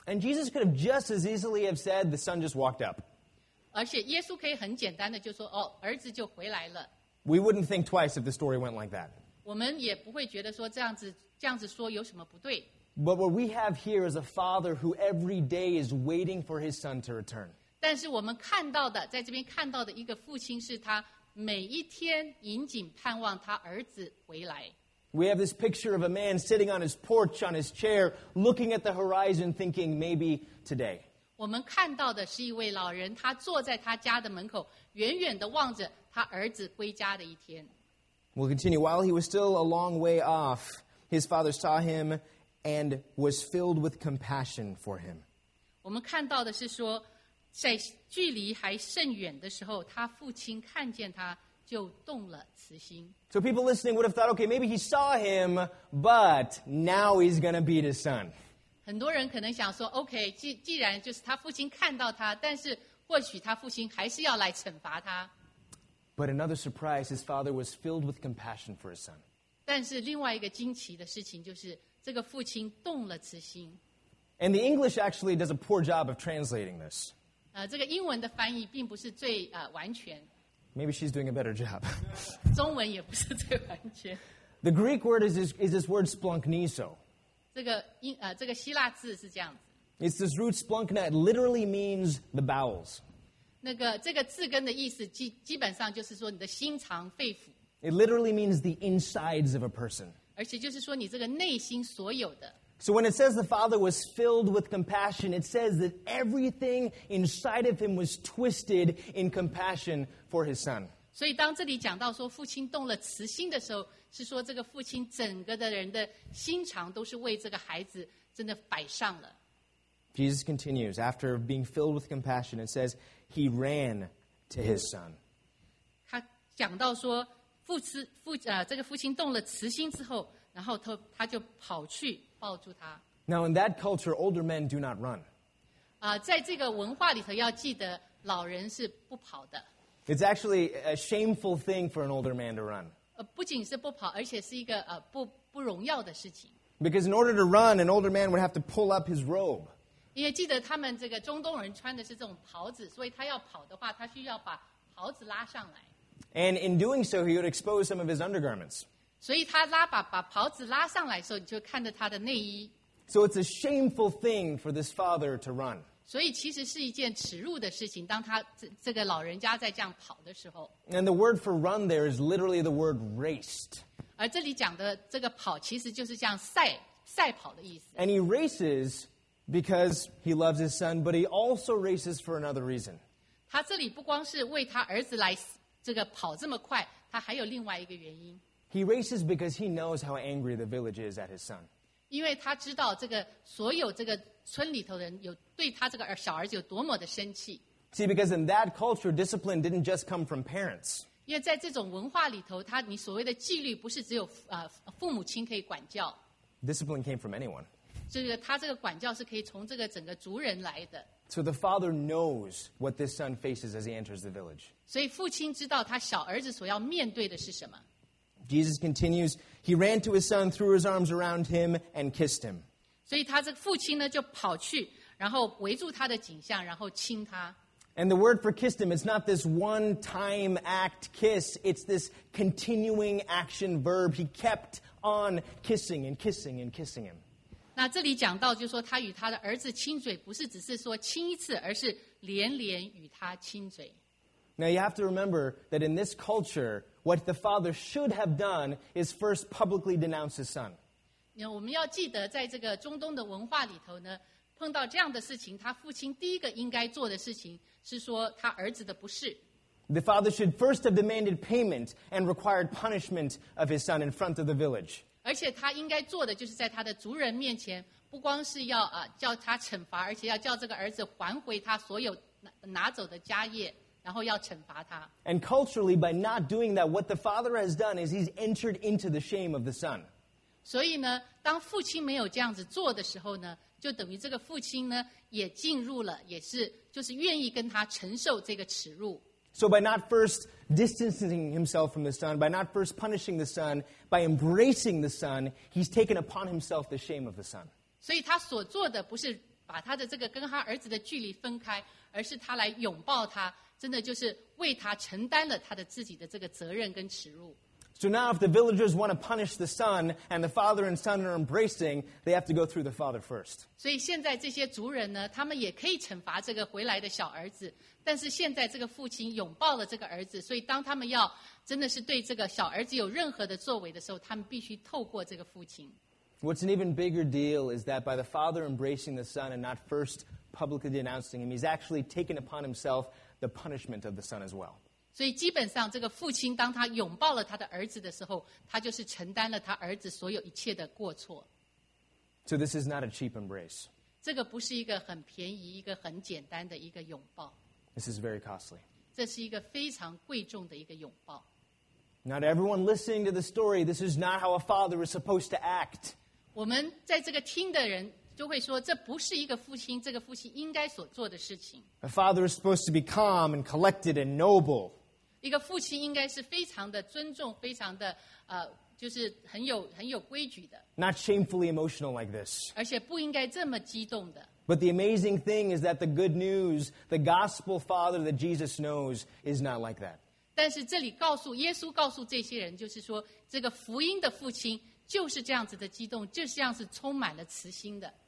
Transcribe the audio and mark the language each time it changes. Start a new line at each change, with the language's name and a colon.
English: And Jesus could have just as easily have said the son just walked up
Chinese: 而且耶稣可以很简单的就说哦儿子就回来了
English: We wouldn't think twice if the story went like that
Chinese: 我们也不会觉得说这样子说有什么不对
English: But what we have here is a father who every day is waiting for his son to return
Chinese: 但是我们看到的在这边看到的一个父亲是他每一天引颈盼望他儿子回来
English: We have this picture of a man sitting on his porch, on his chair, looking at the horizon, thinking, maybe today.
Chinese: 我们看到的是一位老人，他坐在他家的门口，远远地望着他儿子归家的一天。
English: We'll continue. While he was still a long way off, his father saw him and was filled with compassion for him.
Chinese: 我们看到的是说，在距离还甚远的时候，他父亲看见他。就动了慈心。
English: So people listening would have thought, okay, maybe he saw him, but now he's going to beat his son.
Chinese: 很多人可能想说 ，OK， 既然就是他父亲看到他，但是或许他父亲还是要来惩罚他。
English: But another surprise, his father was filled with compassion for his son.
Chinese: 但是另外一个惊奇的事情就是，这个父亲动了慈心。
English: And the English actually does a poor job of translating this.
Chinese: 这个英文的翻译并不是最完全。
English: Maybe she's doing a better job.
Chinese: 中文也不是最完全。
English: The Greek word is this word splunkniso.
Chinese: 这个希腊字是这样子。
English: It's this root splunkna. It literally means the bowels.
Chinese: 那个这个字根的意思基本上就是说你的心肠肺腑。
English: It literally means the insides of a person.
Chinese: 而且就是说你这个内心所有的。
English: So when it says the father was filled with compassion, it says that everything inside of him was twisted in compassion for his son.
Chinese: 所以当这里讲到说父亲动了慈心的时候，是说这个父亲整个的人的心肠都是为这个孩子真的摆上了。
English: Jesus continues, after being filled with compassion, it says he ran to his son.
Chinese: 他讲到说父亲动了慈心之后，然后他就跑去。
English: Now, in that culture, older men do not run.
Chinese: 在这个文化里头要记得老人是不跑的。
English: It's actually a shameful thing for an older man to run.
Chinese: 不仅是不跑而且是一个不荣耀的事情。
English: Because in order to run, an older man would have to pull up his robe.
Chinese: 因为记得他们这个中东人穿的是这种袍子所以他要跑的话他需要把袍子拉上来。
English: And in doing so, he would expose some of his undergarments.
Chinese: 所以他拉把袍子拉上来的时候，你就看着他的内衣。
English: So it's a shameful thing for this father to run.
Chinese: 所以其实是一件耻辱的事情，当他这个老人家在这样跑的时候。
English: And the word for run there is literally the word raced.
Chinese: 而这里讲的这个跑，其实就是像赛跑的意思。
English: And he races because he loves his son, but he also races for another reason.
Chinese: 他这里不光是为他儿子来这个跑这么快，他还有另外一个原因。
English: He races because he knows how angry the village is at his son.
Chinese: 因为他知道这个所有这个村里头人有对他这个小儿子有多么的生气。
English: See, because in that culture, discipline didn't just come from parents.
Chinese: 因为在这种文化里头，你所谓的纪律不是只有父母亲可以管教。
English: Discipline came from anyone.
Chinese: 这个他这个管教是可以从这个整个族人来的。
English: So the father knows what this son faces as he enters the village.
Chinese: 所以父亲知道他小儿子所要面对的是什么。
English: Jesus continues, he ran to his son, threw his arms around him, and kissed him.
Chinese: 所以他这个父亲呢就跑去然后围住他的颈项然后亲他。
English: And the word for kissed him, it's not this one-time act kiss, it's this continuing action verb. He kept on kissing and kissing and kissing him.
Chinese: 那这里讲到就是说他与他的儿子亲嘴不是只是说亲一次而是连连与他亲嘴。
English: Now you have to remember that in this culture, what the father should have done is first publicly denounce his son.
Chinese: 我们要记得在这个中东的文化里头呢，碰到这样的事情，他父亲第一个应该做的事情是说他儿子的不是。
English: The father should first have demanded payment and required punishment of his son in front of the village.
Chinese: 而且他应该做的就是在他的族人面前不光是要叫他惩罚，而且要叫这个儿子还回他所有 拿走的家业，然后要惩罚他。
English: And culturally, by not doing that, what the father has done is he's entered into the shame of the son.
Chinese: 所以呢，当父亲没有这样子做的时候呢，就等于这个父亲呢也进入了，也是就是愿意跟他承受这个耻辱。
English: So by not first distancing himself from the son, by not first punishing the son, by embracing the son, he's taken upon himself the shame of the son.
Chinese: 所以他所做的不是把他的这个跟他儿子的距离分开，而是他来拥抱他，真的就是为他承担了他的自己的这个责任跟耻辱。
English: So now if the villagers want to punish the son and the father and son are embracing, they have to go through the father first.
Chinese: 所以现在这些族人呢，他们也可以惩罚这个回来的小儿子，但是现在这个父亲拥抱了这个儿子，所以当他们要真的是对这个小儿子有任何的作为的时候，他们必须透过这个父亲。
English: What's an even bigger deal is that by the father embracing the son and not first publicly denouncing him, he's actually taken upon himself the punishment of the son as well.
Chinese: 所以基本上这个父亲当他拥抱了他的儿子的时候，他就是承担了他儿子所有一切的过错。
English: So this is not a cheap embrace.
Chinese: 这个不是一个很便宜，一个很简单的一个拥抱。
English: This is very costly.
Chinese: 这是一个非常贵重的一个拥抱。
English: Not everyone listening to the story, this is not how a father is supposed to act.
Chinese: 我们在这个听的人就会说，这不是一个父亲，这个父亲应该所做的事情。
English: A father is supposed to be calm and collected and noble.
Chinese: 一个父亲应该是非常的尊重，非常的就是很有规矩的。
English: Not shamefully emotional like this.
Chinese: 而且不应该这么激动的。
English: But the amazing thing is that the good news, the gospel father that Jesus knows, is not like that.
Chinese: 但是这里告诉耶稣告诉这些人，就是说这个福音的父亲就是这样子的激动，就是这样子充满了慈心的。